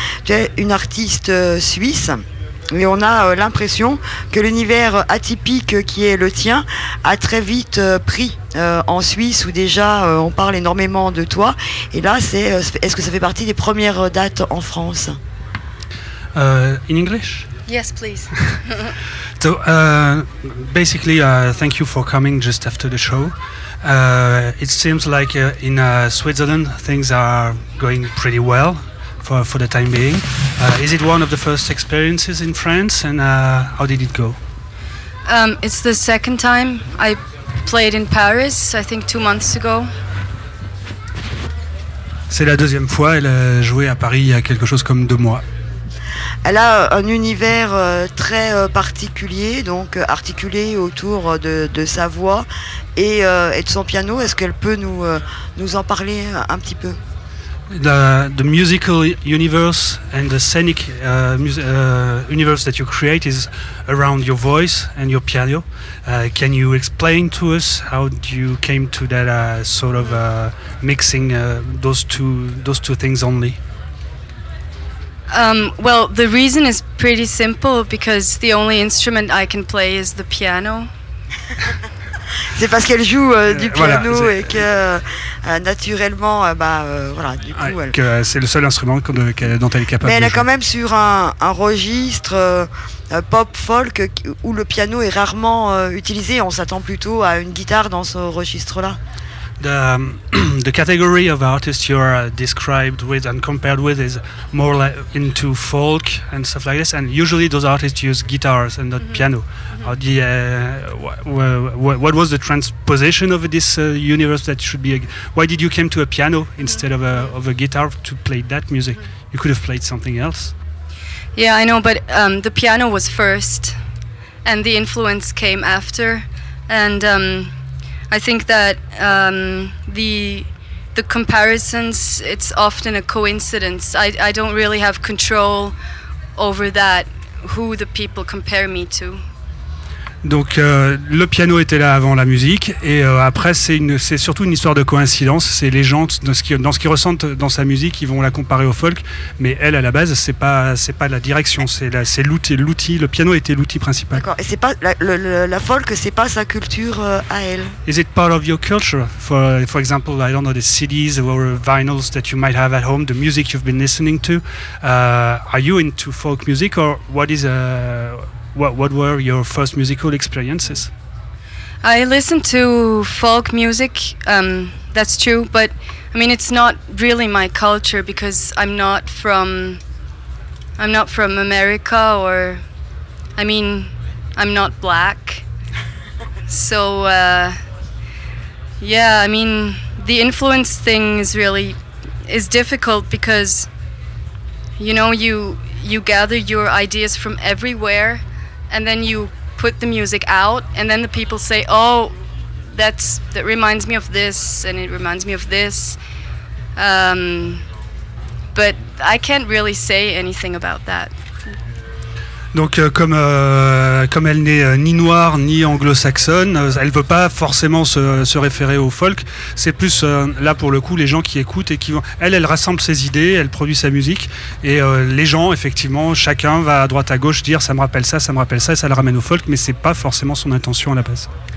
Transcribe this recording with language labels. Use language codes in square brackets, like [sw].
[fr] Tu es une artiste suisse. Mais on a l'impression que l'univers atypique qui est le tien a très vite pris en Suisse où déjà on parle énormément de toi. Et là, est-ce que ça fait partie des premières dates en France? [en] In English? Yes, please. So, basically, thank you for coming just after the show. It seems like in Switzerland things are going pretty well. For the time being, is it one of the first experiences in France, and how did it go? It's the second time I played in Paris. I think 2 months ago. [fr] C'est la deuxième fois. Elle a joué à Paris il y a quelque chose comme 2 mois. Elle a un univers très particulier, donc articulé autour de sa voix et de son piano. Est-ce qu'elle peut nous en parler un petit peu? [en] The musical universe and the scenic universe that you create is around your voice and your piano. Can you explain to us how you came to that sort of mixing those two things only? Well, the reason is pretty simple, because the only instrument I can play is the piano. [fr] C'est parce qu'elle joue du piano et que naturellement, du coup, c'est le seul instrument dont elle est capable. Mais elle est quand même sur un registre pop folk où le piano est rarement utilisé. On s'attend plutôt à une guitare dans ce registre-là. [en] The category of artists you are described with and compared with is more like into folk and stuff like this. And usually those artists use guitars and not mm-hmm. piano. Mm-hmm. What was the transposition of this universe that should be? Why did you come to a piano instead mm-hmm. of a guitar to play that music? Mm-hmm. You could have played something else. Yeah, I know, but the piano was first, and the influence came after, and. I think that the comparisons, it's often a coincidence. I don't really have control over that, who the people compare me to. [fr] Donc le piano était là avant la musique et après c'est surtout une histoire de coïncidence. C'est les gens dans ce qu'ils ressentent dans sa musique, ils vont la comparer au folk, mais elle à la base c'est pas la direction, c'est l'outil, le piano était l'outil principal. D'accord. Et c'est pas la folk, c'est pas sa culture à elle. [en] Is it part of your culture? For example, I don't know, the CDs or vinyls that you might have at home, the music you've been listening to, are you into folk music or what is What were your first musical experiences? I listened to folk music, that's true, but I mean it's not really my culture because I'm not from America, or I mean I'm not black. So I mean the influence thing is really difficult because you know you gather your ideas from everywhere. And then you put the music out, and then the people say, "Oh, that reminds me of this, and it reminds me of this." But I can't really say anything about that. [fr] Donc comme elle n'est ni noire ni anglo-saxonne, elle veut pas forcément se référer au folk. C'est plus là pour le coup les gens qui écoutent et qui vont. Elle rassemble ses idées, elle produit sa musique et les gens effectivement chacun va à droite à gauche dire ça me rappelle ça et ça la ramène au folk, mais c'est pas forcément son intention à la base.